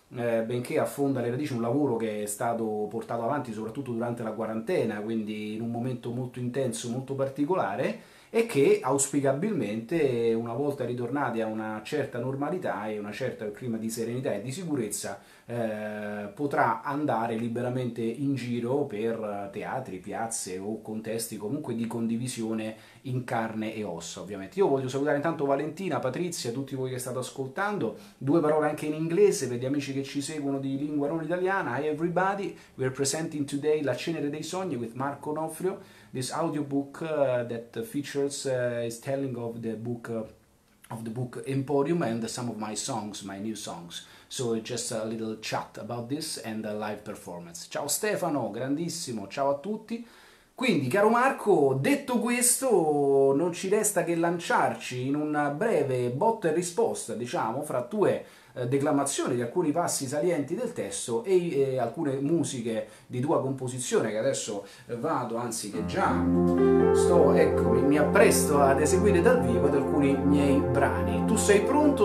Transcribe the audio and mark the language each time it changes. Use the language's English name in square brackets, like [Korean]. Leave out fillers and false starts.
[Italian] Benché affonda le radici, un lavoro che è stato portato avanti soprattutto durante la quarantena, quindi in un momento molto intenso, molto particolare, e che auspicabilmente, una volta ritornati a una certa normalità e una certa clima di serenità e di sicurezza, potrà andare liberamente in giro per teatri, piazze o contesti comunque di condivisione in carne e ossa, ovviamente. Io voglio salutare intanto Valentina, Patrizia, tutti voi che state ascoltando. Due parole anche in inglese per gli amici che ci seguono di lingua non italiana. [English] Hi everybody, we're presenting today La Cenere dei Sogni with Marco Onofrio. This audiobook that features is telling of the book. Of the book Emporium and some of my songs, my new songs. So just a little chat about this and a live performance. [Italian] Ciao Stefano, grandissimo, ciao a tutti. Quindi, caro Marco, detto questo, non ci resta che lanciarci in una breve botta e risposta, diciamo, fra tue declamazioni di alcuni passi salienti del testo e alcune musiche di tua composizione, che adesso vado, anzi che già sto, eccomi, mi appresto ad eseguire dal vivo ad alcuni miei brani. Tu sei pronto?